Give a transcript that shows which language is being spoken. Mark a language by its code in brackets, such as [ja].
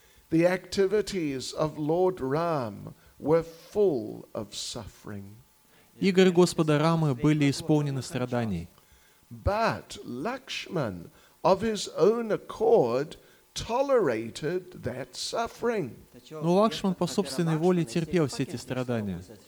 [en] The activities of Lord Ram were full of suffering. [ru] Игры Господа Рамы были исполнены страданий. [en] But Lakshman, of his own accord, tolerated that suffering. [ru] Но Лакшман по собственной воле терпел все эти страдания.